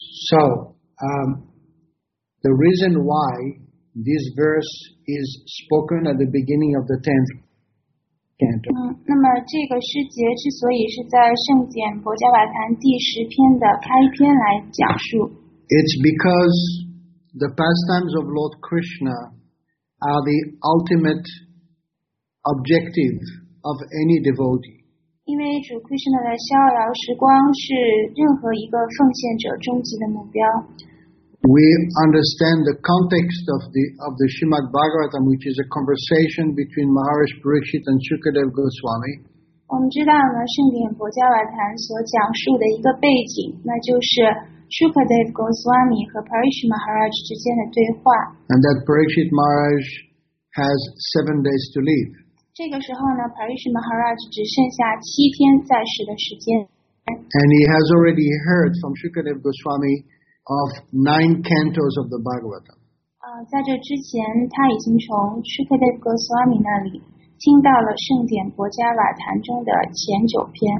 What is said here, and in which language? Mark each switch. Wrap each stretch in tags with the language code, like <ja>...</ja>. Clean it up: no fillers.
<en>So, the reason why this verse is spoken at the beginning of the 10th canto.</en> <zh>那么这个诗节之所以是在圣典薄伽瓦坛第十篇的开篇来讲述。</zh> <en>It's because... The pastimes of Lord Krishna are the ultimate objective of any devotee.</en> <zh>因为主 Krishna 的逍遥时光是任何一个奉献者终极的目标。</zh> <en>We understand the context of the Srimad Bhagavatam, which is a conversation between Maharaj Parikshit and Shukadev Goswami.</en> <zh>我们知道呢，圣典薄伽瓦坛所讲述的一个背景，那就是 Shukadev Goswami 和 Parikshit Maharaj 之间的对话。</zh> <en>And that Parikshit Maharaj has 7 days to leave.</en> <zh>这个时候呢 ，Parikshit Maharaj 只剩下七天在世的时间。</zh> <en>And he has already heard from Shukadev Goswami of 9 cantos of the Bhagavatam.</en> <zh>在这之前，他已经从 Shukadev Goswami 那里。听到了圣典薄伽瓦坛中的前九篇。</zh>